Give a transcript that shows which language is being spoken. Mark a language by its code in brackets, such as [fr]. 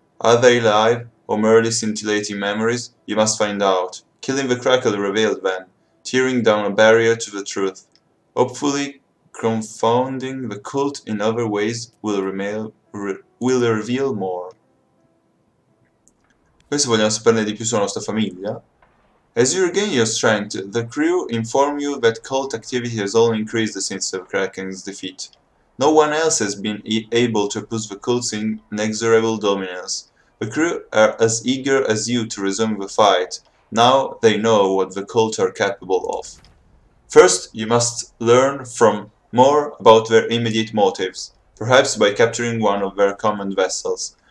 [en] Are they alive or merely scintillating memories? You must find out. Killing the crackle revealed them, tearing down a barrier to the truth. Hopefully, confounding the cult in other ways will reveal more. [it] Questo vogliamo saperne di più sulla nostra famiglia. [en] As you regain your strength, the crew inform you that cult activity has only increased since the Kraken's defeat. No one else has been able to oppose the cult's inexorable dominance. The crew are as eager as you to resume the fight. Now they know what the cult are capable of. First, you must learn from more about their immediate motives, perhaps by capturing one of their common vessels.